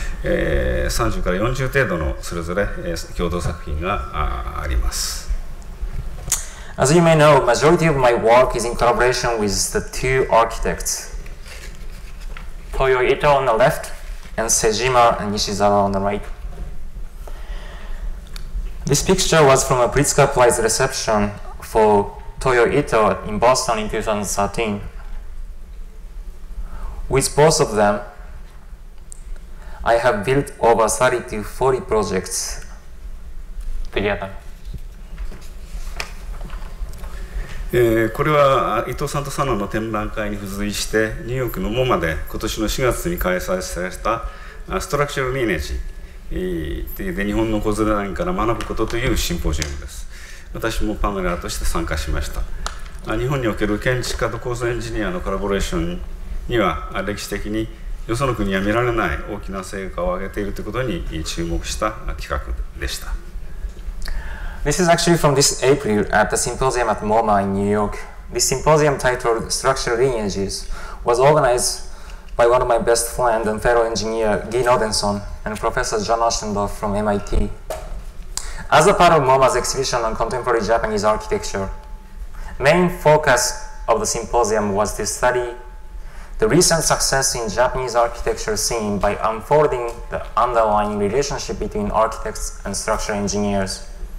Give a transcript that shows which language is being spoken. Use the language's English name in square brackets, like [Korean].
[Japanese] 30から40程度のそれぞれ、共同作品が あります。 [English] As you may know, majority of my work is in collaboration with the two architects, Toyo Ito on the left and Sejima and Nishizawa on the right. This picture was from a Pritzker Prize reception for Toyo Ito in Boston in 2013. With both of them, I have built over 30 to 40 projects together. [Japanese] これは伊藤さんと佐野の展覧会に付随してニューヨークのモマで今年の4月に開催されたストラクチャルリネージで日本の構造デザインから学ぶことというシンポジウムです。私もパネラーとして参加しました。日本における建築家と構造エンジニアのコラボレーションには歴史的によその国は見られない大きな成果を上げているということに注目した企画でした。 [English] This is actually from this April at the symposium at MoMA in New York. This symposium titled Structural Lineages was organized by one of my best friends and fellow engineer Guy Nordenson and Professor John Ashendorf from MIT. As a part of MoMA's exhibition on contemporary Japanese architecture, main focus of the symposium was to study the recent success in Japanese architecture scene by unfolding the underlying relationship between architects and structural engineers.